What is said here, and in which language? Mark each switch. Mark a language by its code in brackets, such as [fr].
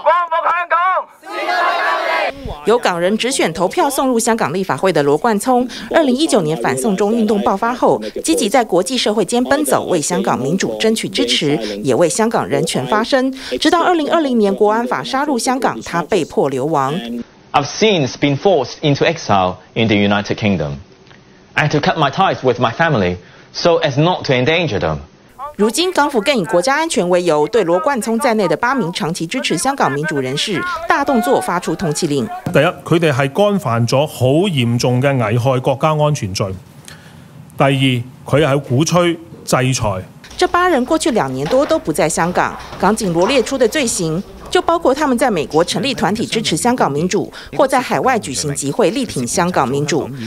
[zh] 光复香港！由港人直选投票送入香港立法会的罗冠聪，2019年反送中运动爆发后，积极在国际社会间奔走，为香港民主争取支持，也为香港人权发声，直到2020年国安法杀入香港，他被迫流亡。 [en] I've since been forced into exile in the United Kingdom. I had to cut my ties with my family so as not to endanger them. [zh] 如今港府更以国家安全为由，对罗冠聪在内的八名长期支持香港民主人士大动作发出通缉令。第一，他们是干犯了很严重的危害国家安全罪。第二，他是鼓吹制裁。这八人过去2年多都不在香港，港警罗列出的罪行就包括他们在美国成立团体支持香港民主，或在海外举行集会力挺香港民主。